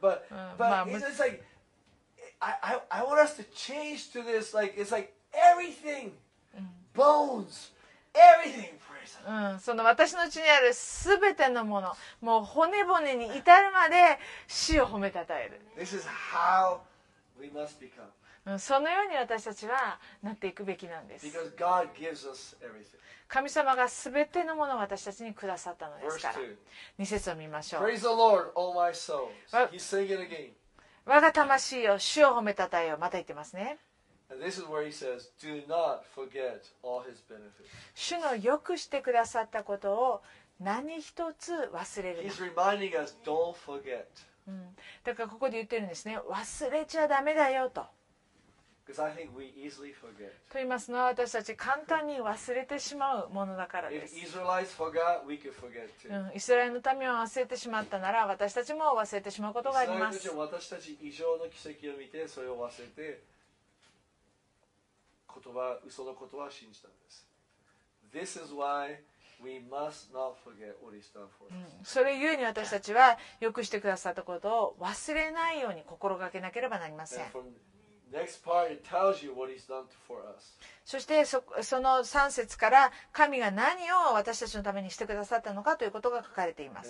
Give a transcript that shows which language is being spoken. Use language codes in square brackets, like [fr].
[en] But、it's like I want us to change to this. Like it's like everything, bones, everything, praise. [ja] その私のうちにあるすべてのもの、もう骨骨に至るまで死を褒めたたえる。 [en] This is how we must become. [ja] そのように私たちはなっていくべきなんです。 [en] Because God gives us everything. [ja] 神様がすべてのものを私たちにくださったのですから。 [en] Verse 2. 2 [ja] 節を見ましょう。 [en] Praise the Lord, all my soul. He's saying it again. [ja] 我が魂よ、主を褒めたたえよ。また言ってますね。 [en] And this is where he says, do not forget all his benefits. [ja] 主のよくしてくださったことを何一つ忘れるな。 [en] He's reminding us, don't forget. [ja] だからここで言ってるんですね。忘れちゃダメだよと。 [en] Because I think we easily forget. [ja] と言いますのは、私たち簡単に忘れてしまうものだからです。 [en] If Israelites forgot, we could forget too. [ja] イスラエルの民を忘れてしまったなら、私たちも忘れてしまうことがあります。イスラエル人は私たち異常の奇跡を見て、それを忘れて、嘘のことは信じたんです。 [en] This is why we must not forget what he's done for us. [ja] それゆえに私たちは、よくしてくださったことを忘れないように心がけなければなりません。 [en] Next part, it tells you what he's done for us. [ja] そして その3節から神が何を私たちのためにしてくださったのかということが書かれています。